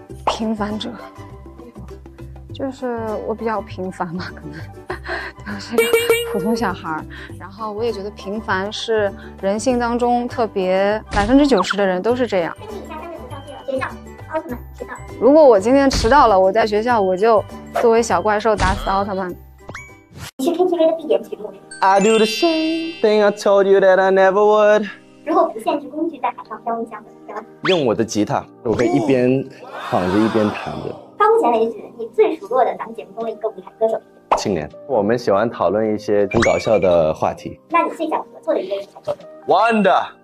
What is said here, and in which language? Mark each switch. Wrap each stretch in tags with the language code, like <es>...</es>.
<zh>平凡者，就是我比较平凡嘛，可能就是个普通小孩，然后我也觉得平凡是人性当中特别90%的人都是这样。根据一下刚才的照片，学校奥特曼迟到。如果我今天迟到了，我在学校我就作为小怪兽打死奥特曼。你去 KTV 的必点曲目。</zh> <en>I do the same thing I told you that I never would。</en> <zh>如果不限制工具，在海上漂，你想怎么漂？用我的吉他，我可以一边躺着一边弹着。到目前为止，你最熟络的咱们节目中的一个舞台歌手？庆怜。我们喜欢讨论一些很搞笑的话题。那你最想合作的一个舞台歌手？ Wanda，</zh>